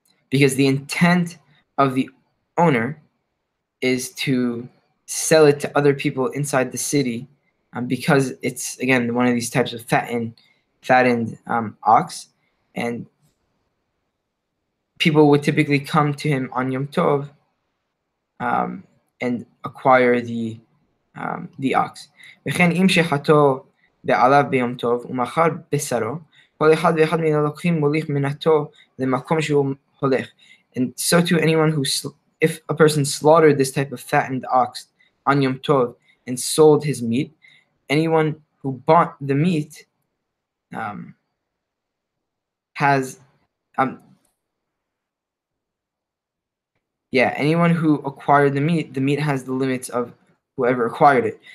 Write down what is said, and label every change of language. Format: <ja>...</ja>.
<en>Because the intent of the owner is to sell it to other people inside the city, because it's, again, one of these types of fattened ox, and people would typically come to him on Yom Tov and acquire the ox.</en> <he>וכן אם שחתו בעליו ביום טוב ומחר בשרו, כל אחד ואחד מן הלוקחים מוליך מנתו למקום שהוא הולך.</he> <en>And so to anyone who, if a person slaughtered this type of fattened ox on Yom Tov and sold his meat, anyone who bought the meat anyone who acquired the meat has the limits of whoever acquired it.</en>